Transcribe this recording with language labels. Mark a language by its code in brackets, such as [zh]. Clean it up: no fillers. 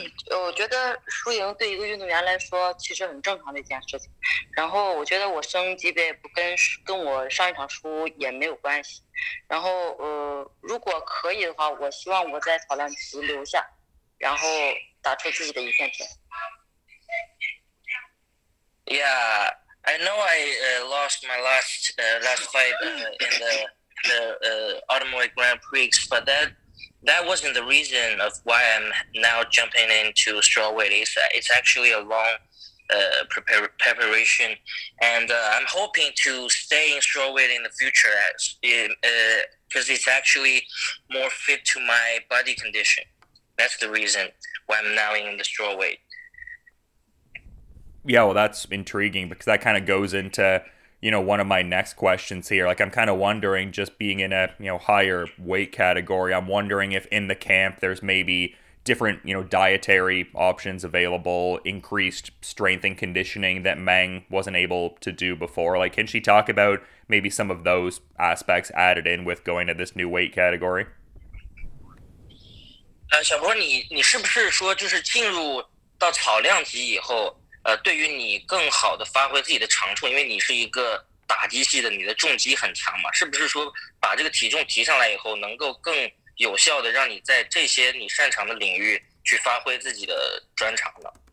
[zh] 我觉得输赢对一个运动员来说其实很正常的一件事情。然后我觉得我升级别不跟我上一场输也没有关系。然后如果可以的话，我希望我在草量级留下，然后打出自己的一片天。 [en] Yeah, I know I lost my last fight in the Atomweight Grand Prix, but that wasn't the reason of why I'm now jumping into strawweight. It's actually a long preparation, and I'm hoping to stay in strawweight in the future because it's actually more fit to my body condition. That's the reason why I'm now in the strawweight. Yeah, well, that's intriguing because that kind of goes into, you know, one of my next questions here. Like, I'm kind of wondering, just being in a, you know, higher weight category, I'm wondering if in the camp there's maybe different, you know, dietary options available, increased strength and conditioning that Meng wasn't able to do before. Like, can she talk about maybe some of those aspects added in with going to this new weight category? [zh] 小波，你是不是说就是进入到草量级以后，对于你更好的发挥自己的长处，因为你是一个打击系的，你的重击很强嘛，是不是说把这个体重提上来以后，能够更有效的让你在这些你擅长的领域去发挥自己的专长呢？